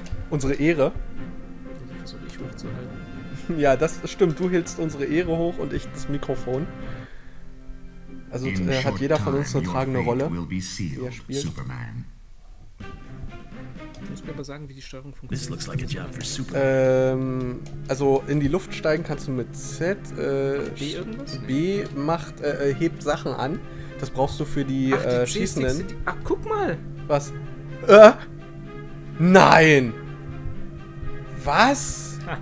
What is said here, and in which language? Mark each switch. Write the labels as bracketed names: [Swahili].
[German] Unsere Ehre. Versuche ich hochzuhalten. Ja, das stimmt. Du hältst unsere Ehre hoch und ich das Mikrofon. Also hat jeder von uns eine tragende Rolle. Wer spielt? Superman. Ich muss mir aber sagen, wie die Steuerung funktioniert. [English] This looks like a job for Superman. [German] Also in die Luft steigen kannst du mit Z. B irgendwas? B macht hebt Sachen an. Das brauchst du für die, die Schießenden. Ach, guck mal! Was? Nein! Was?